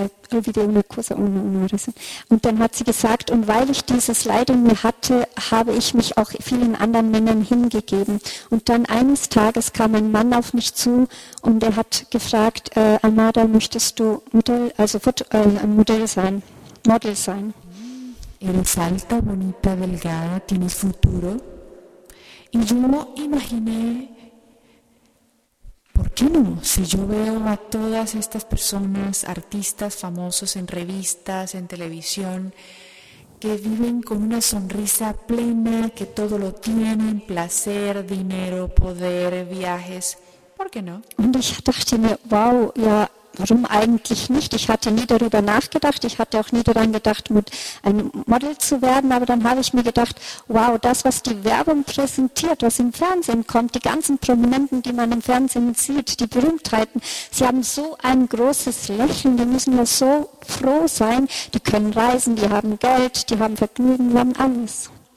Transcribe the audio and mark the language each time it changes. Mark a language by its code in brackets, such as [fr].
[es] Olvidé una cosa, una razón. [de] Und dann hat sie gesagt, und weil ich dieses Leid in mir hatte, habe ich mich auch vielen anderen Männern hingegeben. Und dann eines Tages kam ein Mann auf mich zu und er hat gefragt, Amanda, möchtest du Model sein? [es] Eres alta, bonita, delgada, tienes futuro. Y yo imaginé, ¿por qué no? Si yo veo a todas estas personas, artistas famosos en revistas, en televisión, que viven con una sonrisa plena, que todo lo tienen, placer, dinero, poder, viajes, ¿por qué no? [de] Und ich dachte mir, wow, ja, warum eigentlich nicht? Ich hatte nie darüber nachgedacht, ich hatte auch nie daran gedacht, ein Model zu werden, aber dann habe ich mir gedacht, wow, das, was die Werbung präsentiert, was im Fernsehen kommt, die ganzen Prominenten, die man im Fernsehen sieht, die Berühmtheiten, sie haben so ein großes Lächeln, die müssen ja so froh sein, die können reisen, die haben Geld, die haben Vergnügen, die haben alles.